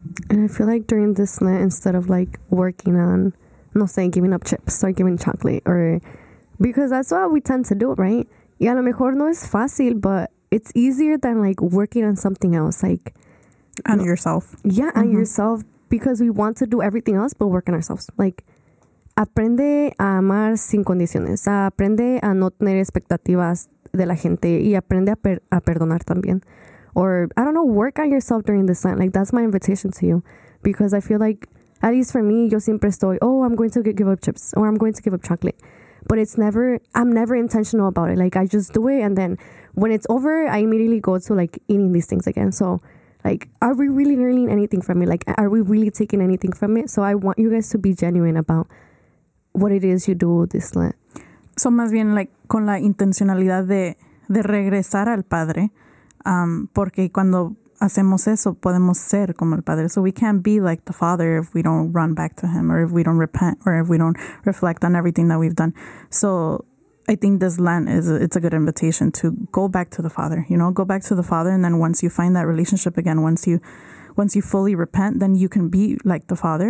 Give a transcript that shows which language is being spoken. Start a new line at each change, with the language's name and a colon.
English: And I feel like during this night, instead of like working on,
Spanish: no sé,
English: giving up chips or giving chocolate, or because that's what we tend to do, right?
Spanish: Y a lo mejor no es fácil,
English: but it's easier than like working on something else, like on yourself. Yeah, mm-hmm. On yourself, because we want to do everything else but work on ourselves.
Spanish: Like, aprende a amar sin condiciones, aprende a no tener expectativas de la gente, y aprende a perdonar también.
English: Or, I don't know, work on yourself during this time. Like, that's my invitation to you. Because I feel like, at least for me,
Spanish: yo siempre estoy,
English: oh, I'm going to give up chips. Or I'm going to give up chocolate. But I'm never intentional about it. Like, I just do it. And then when it's over, I immediately go to, like, eating these things again. So, like, are we really learning anything from it? Like, are we really taking anything from it? So I want you guys to be genuine about what it is you do this time.
Spanish: So, más bien, like, con la intencionalidad de regresar al Padre. Porque cuando hacemos eso, podemos ser como el Padre.
English: So we can't be like the Father if we don't run back to Him, or if we don't repent, or if we don't reflect on everything that we've done. So I think this Lent it's a good invitation to go back to the Father, you know, go back to the Father. And then once you find that relationship again, once you fully repent, then you can be like the Father.